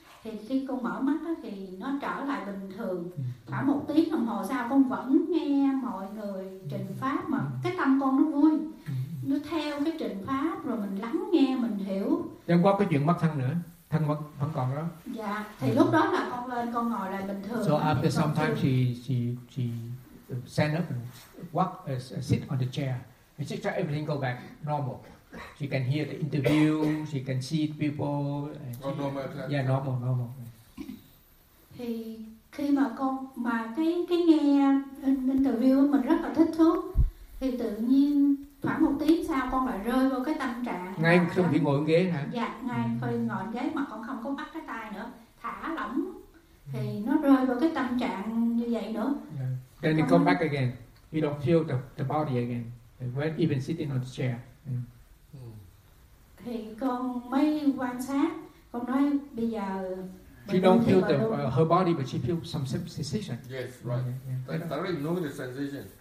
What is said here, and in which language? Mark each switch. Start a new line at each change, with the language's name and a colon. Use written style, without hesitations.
Vietnamese: Thì khi con mở mắt đó, thì nó trở lại bình thường. Khoảng một tiếng đồng hồ sau con vẫn nghe mọi người trình pháp, mà cái tâm con nó vui, nó theo cái trình pháp, rồi mình lắng nghe, mình hiểu. Đem qua cái chuyện mất thân nữa, thân vẫn còn đó. Dạ, thì lúc đó là con lên, con ngồi lại bình thường.
English: So after some time she stand up and walk, sit on the chair. And she try everything go back normal. She can hear the interview, she can see people. She, oh, normal. Yeah, normal, normal.
Vietnamese: Thì khi mà con mà cái nghe interview mình rất là thích thú, thì tự nhiên khoảng một tiếng sau con lại rơi vào cái tâm trạng ngay không khi ngồi ghế hả? Dạ, ngay khi ngồi ghế mà con không có bắt cái tay nữa, thả lỏng, thì nó rơi vào cái tâm trạng như vậy nữa.
English: Yeah. Then you come back again, you don't feel the body again, when even sitting on the chair.
Vietnamese: Thì con mới quan sát, con nói bây giờ
English: she don't feel the her body, but she feel some sensation. Yes, right. Yeah, yeah. That really know the sensation.